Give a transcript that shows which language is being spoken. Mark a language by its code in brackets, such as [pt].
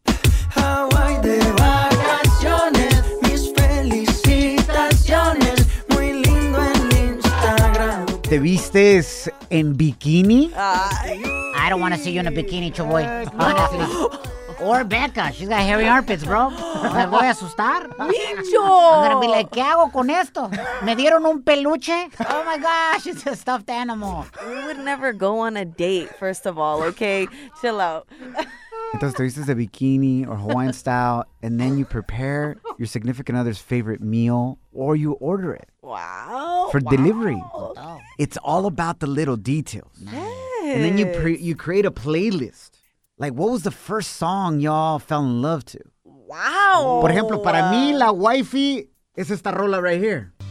[es] Hawaii de vacaciones, mis felicitaciones, muy lindo en Instagram. Te vistes en bikini? [en] I don't want to see you in a bikini, chavoy, honestly. Or Becca, she's got hairy armpits, bro. [es] Me voy a asustar. ¡Micho! [en] I'm gonna be like, [es] ¿qué hago con esto? Me dieron un peluche. [en] Oh my gosh, it's a stuffed animal. We would never go on a date, first of all, okay? Chill out. [es] Entonces, te vistes de bikini [en] or Hawaiian style, and then you prepare your significant other's favorite meal, or you order it. Wow. For delivery. It's all about the little details. Nice. And then you create a playlist. Like, what was the first song y'all fell in love to? Wow. [es] Por ejemplo, para mí, la wifey es esta rola [en] right here.